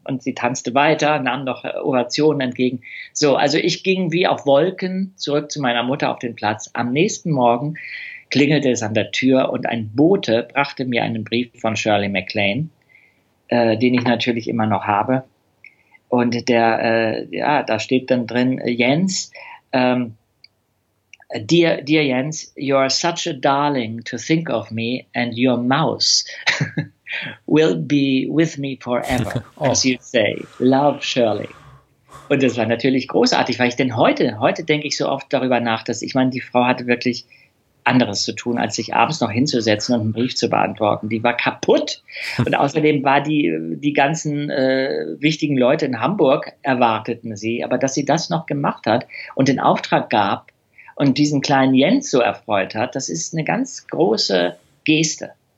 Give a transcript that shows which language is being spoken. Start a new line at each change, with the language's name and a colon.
German: Und sie tanzte weiter, nahm noch Ovationen entgegen. So, also ich ging wie auf Wolken zurück zu meiner Mutter auf den Platz. Am nächsten Morgen klingelte es an der Tür und ein Bote brachte mir einen Brief von Shirley MacLaine, den ich natürlich immer noch habe. Und der, ja, da steht dann drin, Jens,
English: Dear Jens, you are such a darling to think of me and your mouse will be with me forever, as you say. Love, Shirley.
German: Und das war natürlich großartig, weil ich denn heute denke ich so oft darüber nach, dass ich meine, die Frau hatte wirklich anderes zu tun, als sich abends noch hinzusetzen und einen Brief zu beantworten. Die war kaputt. Und außerdem war die ganzen wichtigen Leute in Hamburg erwarteten sie, aber dass sie das noch gemacht hat und den Auftrag gab, und diesen kleinen Jens so erfreut hat, das ist eine ganz große Geste.